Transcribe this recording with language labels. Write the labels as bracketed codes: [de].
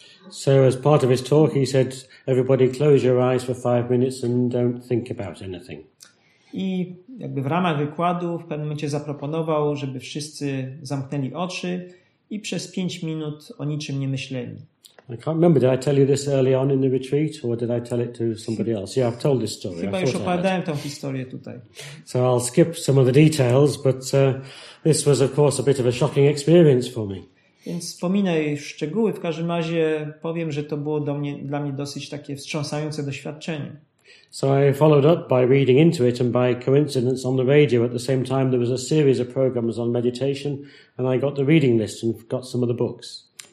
[en] So as part of his talk he said, "Everybody close your eyes for 5 minutes and don't think about anything." [pl] I jakby w ramach wykładu w pewnym momencie zaproponował, żeby wszyscy zamknęli oczy i przez 5 minut o niczym nie myśleli. [en] I can't remember, did I tell you this early on in the retreat or did I tell it to somebody else? Yeah, I've told this story. [pl] Chyba już opowiadałem tę historię tutaj. [en] So I'll skip some of the details, but this was of course a bit of a shocking experience for me. [pl] Więc wspominę szczegóły, w każdym razie powiem, że to było dla mnie dosyć takie wstrząsające doświadczenie. [en] So I followed up by reading into it and by coincidence on the radio at the same time there was a series of programs on meditation and I got the reading list and got some of the books.